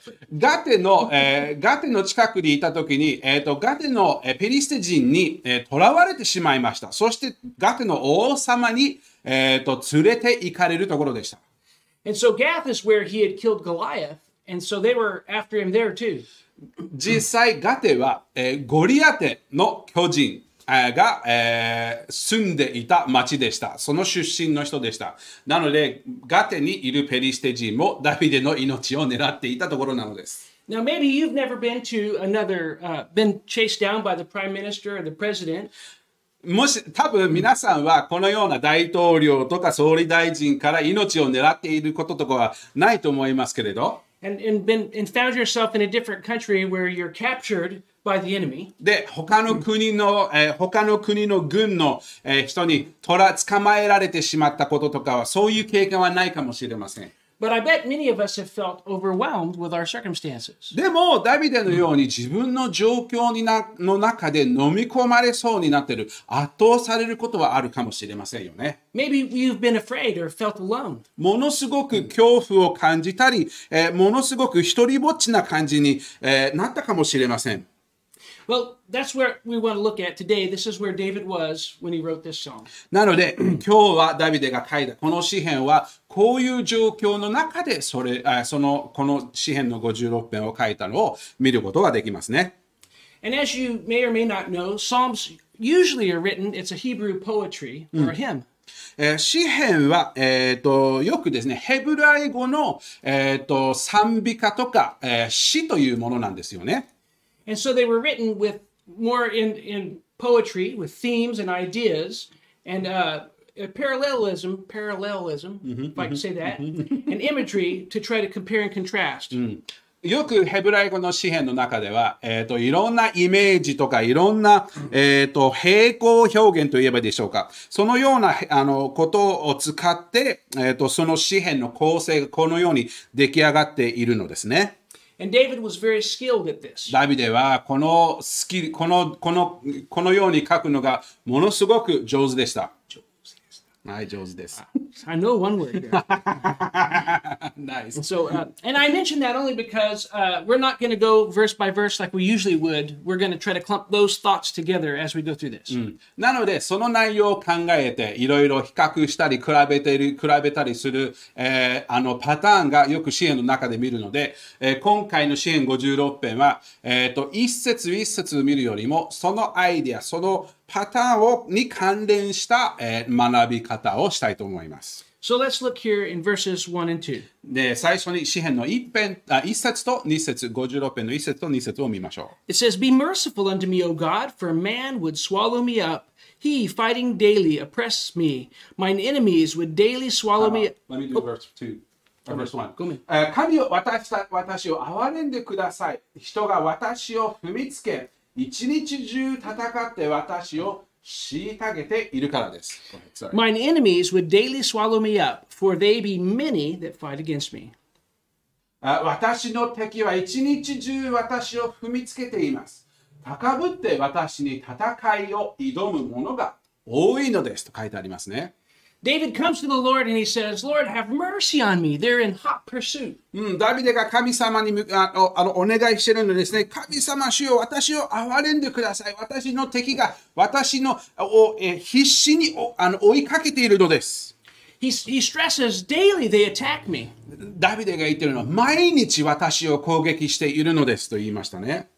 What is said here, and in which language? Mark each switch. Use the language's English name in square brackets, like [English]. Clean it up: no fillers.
[Japanese] ガテの、ガテの近くにいたときに、ガテの、ペリシテ人に、囚われてしまいました。そしてガテの王様に、連れて行かれるところでした。 [English] And so Gath is where he had killed Goliath, and so they were after him there too. [Japanese] 実際ガテは、ゴリアテの巨人、が、住んでいた町でした。その出身の人でした。なので、ガテにいるペリシテ人もダビデの命を狙っていたところなのです。 [English] Now, maybe you've never been to another, been chased down by the prime minister or the president. [Japanese] もし、多分皆さんはこのような大統領とか総理大臣から命を狙っていることとかはないと思いますけれど。 [English] And found yourself in a different country where you're captured. By the enemy. [Japanese] で、他の国の、他の国の軍の、人に捕まえられてしまったこととかは、そういう経験はないかもしれません。 [English] But I bet many of us have felt overwhelmed with our circumstances. [Japanese] でも、ダビデのように自分の状況にの中で飲み込まれそうになっている、圧倒されることはあるかもしれませんよね。 [English] Maybe you've been afraid or felt alone. [Japanese] ものすごく恐怖を感じたり、ものすごく一人ぼっちな感じに、なったかもしれません。 [English] Well, that's where we want to look at today. This is where David was when he wrote this song. [Japanese] なので、今日はダビデが書いたこの詩編は、こういう状況の中でそれ、その、この詩編の56編を書いたのを見ることができますね。 [English] And as you may or may not know, Psalms usually are written, it's a Hebrew poetry or a hymn. [Japanese] 詩編は、よくですね、ヘブライ語の、賛美歌とか、詩というものなんですよね。 [English] And so they were written with more in poetry, with themes and ideas, and parallelism, if I can say that, and imagery to try to compare and contrast. [Japanese] よくヘブライ語の詩編の中では、いろんなイメージとかいろんな、平行表現といえばでしょうか。そのようなあのことを使って、その詩編の構成がこのように出来上がっているのですね。 [English] And David was very skilled at this. [Japanese] ダビデはこのスキル、このように書くのがものすごく上手でした。上手です。はい、上手です。 [English] I know one word there. Nice. So, and I mentioned that only because we're not going to go verse by verse like we usually would. We're going to try to clump those thoughts together as we go through this.、 [Japanese] なので、その内容を考えていろいろ比較したり比べたりする、あのパターンがよく詩編の中で見るので、今回の詩編56編は、一節一節見るよりもそのアイデア、そのパターンに関連した、学び方をしたいと思います。 [English] So let's look here in verses 1 and 2. [Japanese] で、最初に詩編の一節と二節、五十六編の一節と二節を見ましょう。 [English] It says, Be merciful unto me, O God, for man would swallow me up. He, fighting daily, oppressed me. Mine enemies would daily swallow me. Let me do verse 2. Verse 1. [Japanese] 神よ、私を憐れんでください。人が私を踏みつけ。一日中戦って私を虐げているからです。 [English] Mine enemies would daily swallow me up, for they be many that fight against me. [Japanese] 私の敵は一日中私を踏みつけています。高ぶって私に戦いを挑む者が多いのですと書いてありますね。 [English] David comes to the Lord and he says, Lord, have mercy on me. They're in hot pursuit. [Japanese] ダビデが神様にお願いしているのですね。神様主よ、私を憐れんでください。私の敵が私のを必死に追いかけているのです。 [English] He stresses daily they attack me. [Japanese] ダビデが言っているのは、毎日私を攻撃しているのですと言いましたね。